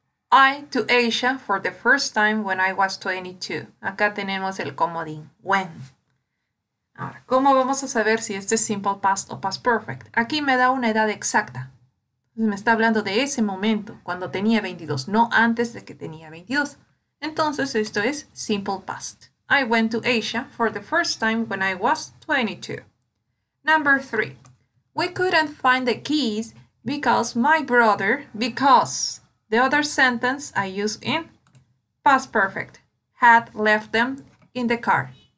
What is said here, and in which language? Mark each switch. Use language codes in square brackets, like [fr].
[en] I to Asia for the first time when I was 22. [es] Acá tenemos el comodín. When? Ahora, ¿cómo vamos a saber si este es simple past o past perfect? Aquí me da una edad exacta. Me está hablando de ese momento, cuando tenía 22, no antes de que tenía 22. Entonces, esto es simple past. [en] I went to Asia for the first time when I was 22. Number three. We couldn't find the keys because my brother, because the other sentence I use in past perfect, had left them in the car.